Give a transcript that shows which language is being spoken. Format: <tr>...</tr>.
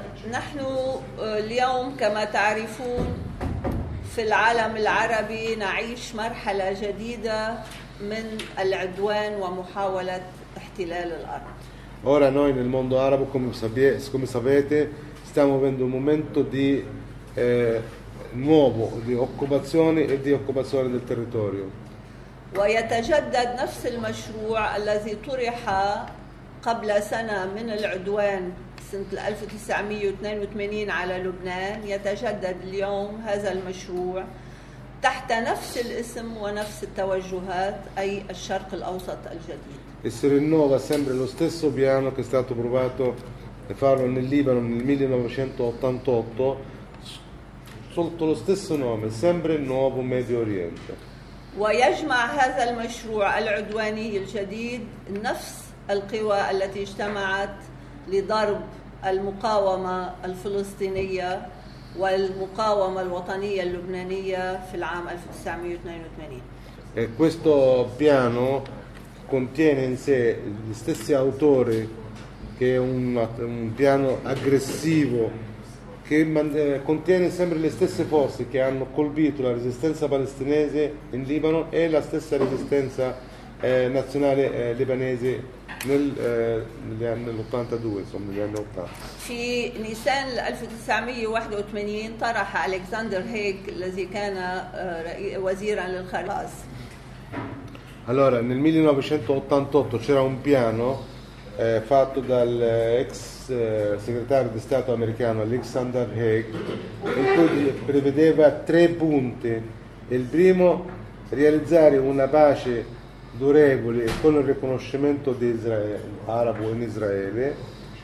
<ar>نحن اليوم كما تعرفون في العالم العربي نعيش مرحلة جديدة من العدوان ومحاولة احتلال الأرض.</ar> <it>Ora noi nel mondo arabo, come sapete, stiamo vivendo un momento di nuovo di occupazione e di occupazione del territorio.</it> <ar>ويتجدد نفس المشروع الذي طرح قبل سنة من العدوان سنة 1982 على لبنان يتجدد اليوم هذا المشروع تحت نفس الاسم ونفس التوجهات أي الشرق الأوسط الجديد.</ar> <it>E si rinnova sempre lo stesso piano che è stato provato a farlo nel Libano nel 1988 sotto lo stesso nome, sempre il nuovo Medio Oriente.</it> <ar>ويجمع هذا المشروع العدواني الجديد نفس القوى التي اجتمعت لضرب المقاومة الفلسطينية والمقاومة الوطنية اللبنانية في العام 1982.</ar> <it>E questo piano contiene in sé gli stessi autori che è un piano aggressivo che contiene sempre le stesse forze che hanno colpito la resistenza palestinese in Libano e la stessa resistenza nazionale libanese nell'82, insomma negli anni 80.</it> <ar>في نيسان 1981 طرح ألكسندر هيك الذي كان وزيرا للخارجية.</ar> <it>Allora, nel 1988 c'era un piano fatto dal ex segretario di Stato americano Alexander Haig, in cui prevedeva tre punti. Il primo, realizzare una pace durevole con il riconoscimento di Israele, arabo in Israele.</it>